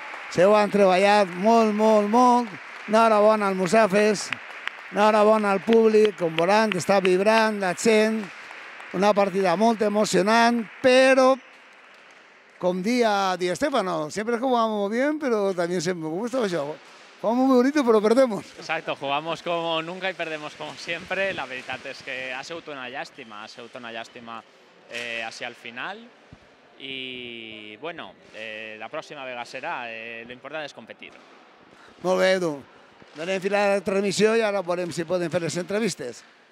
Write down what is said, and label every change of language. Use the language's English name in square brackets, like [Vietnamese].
[Catalan] Se ho han treballat molt. Enhorabona al Musafes. Enhorabona al públic, com veuran, que està vibrant la gent. Una partida molt emocionant, però, com dia Di Stéfano, sempre [Spanish] jugamos bien, [Catalan] però també sempre [Spanish] me gusta [Catalan] això. [Spanish] Jugamos muy bonito, pero perdemos. Exacto, jugamos como nunca y perdemos como siempre. [Catalan] La veritat és que ha sigut una llàstima, ha sigut una llàstima [Spanish] hacia el final. Y bueno, la próxima vega será, lo importante es competir. [Catalan] Molt bé, Edu. Donem fil a la transmissió i ara veurem si podem fer les entrevistes.